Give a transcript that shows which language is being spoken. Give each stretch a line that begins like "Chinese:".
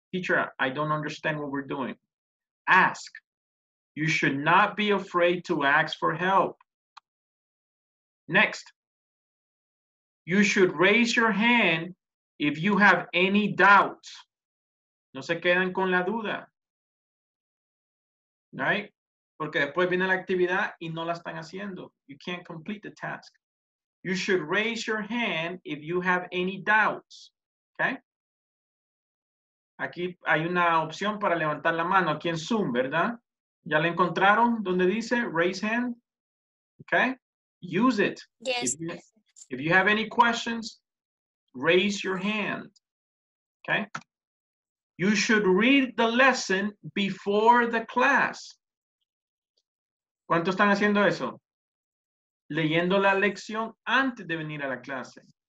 English: Teacher, I don't understand what we're doing. Ask. You should not be afraid to ask for help. Next. You should raise your hand if you have any doubts.
Spanish: No se quedan con la duda.
English: Right?
Spanish: Porque después viene la actividad y no la están haciendo.
English: You can't complete the task. You should raise your hand if you have any doubts. Okay?
Spanish: Aquí hay una opción para levantar la mano aquí en Zoom, ¿verdad? ¿Ya la encontraron donde dice raise hand?
English: Okay? Use it. Yes. If you have any questions, raise your hand. Okay? You should read the lesson before the class.
Spanish: ¿Cuántos están haciendo eso? Leyendo la lección antes de venir a la clase.